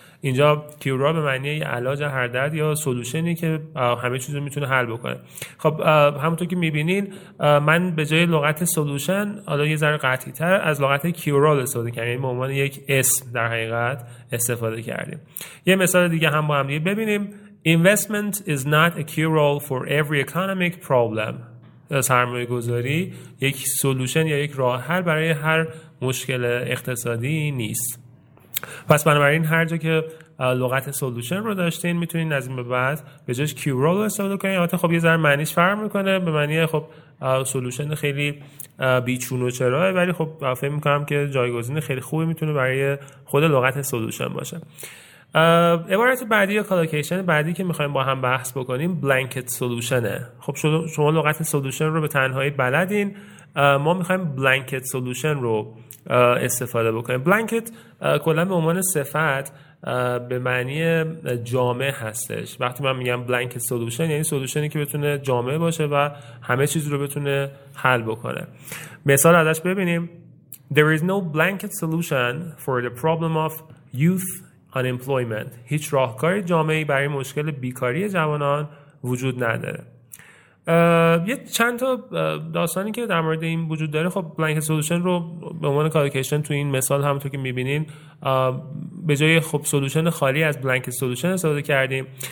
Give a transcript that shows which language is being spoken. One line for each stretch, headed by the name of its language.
Persian: اینجا کیورا به معنی علاج هر درد یا سولوشنی که همه چیز رو میتونه حل بکنه. خب همونطور که میبینین من به جای لغت سولوشن حالا یه ذره قطعی تر از لغت کیورا استفاده کردم، یعنی به عنوان یک اسم در حقیقت استفاده کردیم. یه مثال دیگه هم با هم دیگه ببینیم.
English: Investment is not a cure all for every economic problem.
Persian: سرمایه گذاری یک سولوشن یا یک راه حل برای هر مشکل اقتصادی نیست. پس بنابراین هر جا که لغت سولوشن رو داشتین میتونین از این به بعد به جاش کیورال استفاده کنین. البته خب یه ذره معنیش فرق میکنه، به معنی خب سولوشن خیلی بیچون و چرا، ولی خب فکر میکنم که جایگزین خیلی خوبی میتونه برای خود لغت سولوشن باشه. عبارت بعدی یا کالوکیشن بعدی که میخوایم با هم بحث بکنیم بلانکت سولوشنه. خب شما لغت سولوشن رو به تنهایی بلدین، ما میخوایم بلانکت سولوشن رو استفاده بکنیم. بلانکت کلا به عنوان صفت به معنی جامع هستش. وقتی من میگم بلانکت سولوشن یعنی سولوشنی که بتونه جامع باشه و همه چیز رو بتونه حل بکنه. مثال ازش ببینیم.
English: There is no blanket solution for the problem of youth unemployment.
Persian: هیچ راهکاری جامعی برای مشکل بیکاری جوانان وجود نداره. یه چند تا داستانی که در مورد این وجود داره، خب بلانکت سولوشن رو به عنوان کالوکیشن تو این مثال همونطور که میبینین به جای خب سولوشن خالی از بلانکت سولوشن استفاده کردیم.